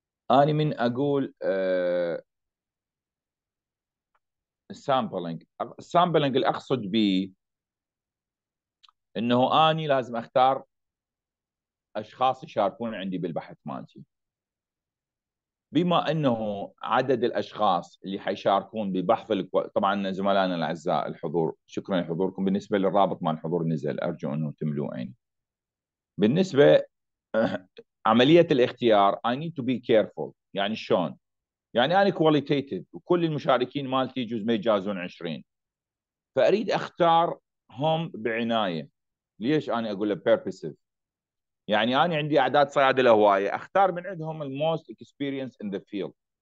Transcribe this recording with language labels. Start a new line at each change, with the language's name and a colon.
Arabic: أنا من أقول السامبلينج اللي أقصد به أنه أنا لازم أختار أشخاص يشاركون عندي بالبحث مالتي. بما أنه عدد الأشخاص اللي حيشاركون ببحث، طبعا زملائنا الأعزاء الحضور، شكرا لحضوركم. بالنسبة للرابط مع الحضور نزل، أرجو أنه تملوه عيني. بالنسبة عملية الاختيار،
English: I need to be careful.
Arabic: يعني شون؟ يعني أنا qualitative وكل المشاركين مالتي يجوز ما يجازون 20، فأريد أختارهم بعناية. ليش أنا أقول purposive؟ يعني أنا عندي أعداد صيادلة هواية، أختار من عندهم
English: the most experience in the field.